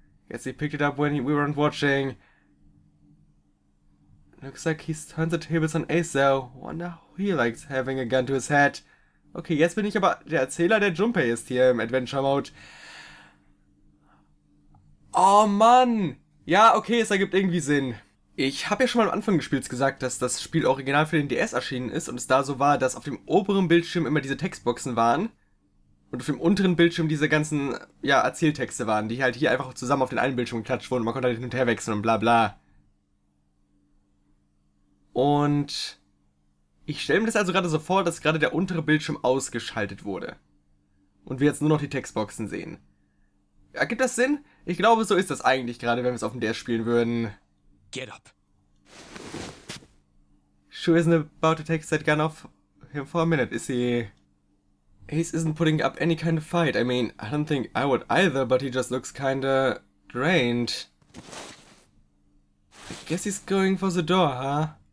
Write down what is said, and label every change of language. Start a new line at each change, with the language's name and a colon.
English: Guess he picked it up when we weren't watching. Looks like he's turned the tables on Ace though. Wonder who he likes having a gun to his head.
German: Okay, jetzt bin ich aber der Erzähler, der Junpei ist hier im Adventure-Mode. Oh Mann! Ja, okay, es ergibt irgendwie Sinn. Ich habe ja schon mal am Anfang des Spiels gesagt, dass das Spiel original für den DS erschienen ist und es da so war, dass auf dem oberen Bildschirm immer diese Textboxen waren. Und auf dem unteren Bildschirm diese ganzen, ja, Erzähltexte waren, die halt hier einfach zusammen auf den einen Bildschirm geklatscht wurden und man konnte halt hin und her wechseln und bla bla. Und ich stelle mir das also gerade so vor, dass gerade der untere Bildschirm ausgeschaltet wurde. Und wir jetzt nur noch die Textboxen sehen. Ergibt das Sinn? Ich glaube, so ist das eigentlich gerade, wenn wir es auf dem DS spielen würden.
English: Get up. Sure isn't about to take that gun off him for a minute, is he? Ace isn't putting up any kind of fight. I mean, I don't think I would either, but he just looks kinda drained. I guess he's going for the door, huh?